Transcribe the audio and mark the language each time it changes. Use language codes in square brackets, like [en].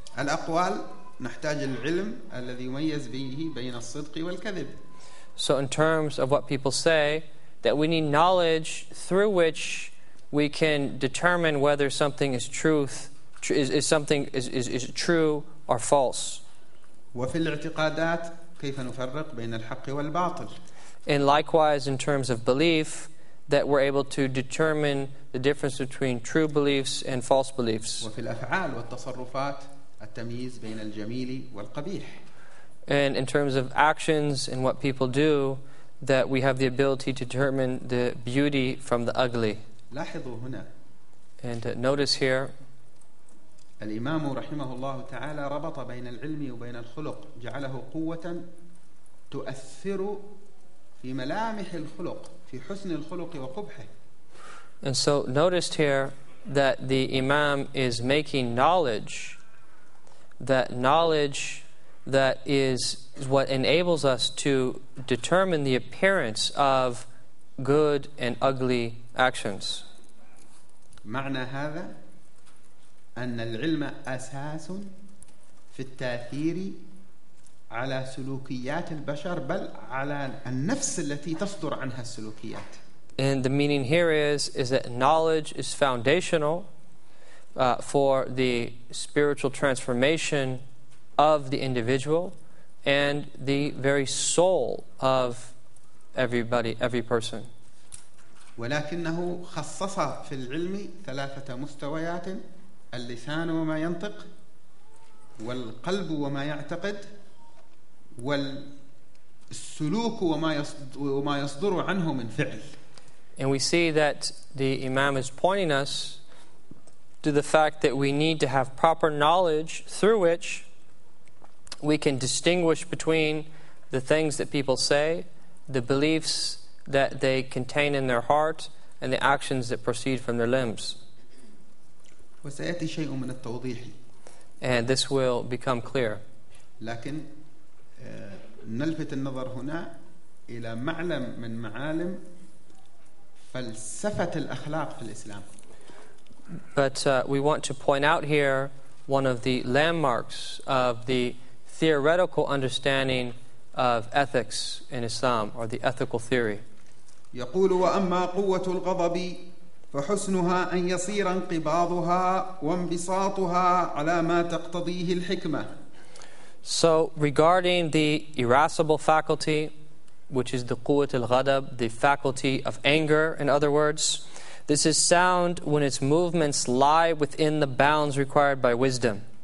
[ar] الأقوال نحتاج العلم الذي يميز به بين الصدق والكذب. [en] So in terms of what people say, that we need knowledge through which we can determine whether something is truth, is something true or false. [ar] وفي الاعتقادات كيف نفرق بين الحق والباطل. [en] And likewise, in terms of belief, that we're able to determine the difference between true beliefs and false beliefs. [ar] وفي الأفعال والتصرفات التمييز بين الجميل والقبيح. [en] And in terms of actions and what people do, that we have the ability to determine the beauty from the ugly. [ar] لاحظوا هنا. [en] And notice here. [ar] الإمام رحمه الله تعالى ربط بين العلم وبين الخلق جعله قوة تؤثر في ملامح الخلق في حسن الخلق وقبحه. [en] And so noticed here that the Imam is making knowledge, that knowledge that is what enables us to determine the appearance of good and ugly actions. [ar] معنى هذا أن العلم أساس في التأثير على سلوكيات البشر بل على النفس التي تصدر عنها السلوكيات. [en] And the meaning here is that knowledge is foundational for the spiritual transformation of the individual and the very soul of everybody, every person. [ar] ولكنه خصص في العلم ثلاثة مستويات: اللسان وما ينطق، والقلب وما يعتقد، والسلوك وما يصدر عنه من فعل. [en] And we see that the Imam is pointing us to the fact that we need to have proper knowledge through which we can distinguish between the things that people say, the beliefs that they contain in their heart, and the actions that proceed from their limbs. [ar] وسيأتي شيء من التوضيح. [en] And this will become clear. [ar] لكن نلفت النظر هنا إلى معلم من معالم فلسفة الأخلاق في الإسلام. [en] But we want to point out here one of the landmarks of the theoretical understanding of ethics in Islam, or the ethical theory. [ar] يقول وأما قوة الغضب فحسنها أن يصير انقباضها وانبساطها على ما تقتضيه الحكمة. [en] So regarding the irascible faculty, which is the قوة الغضب, the faculty of anger, in other words, this is sound when its movements lie within the bounds required by wisdom.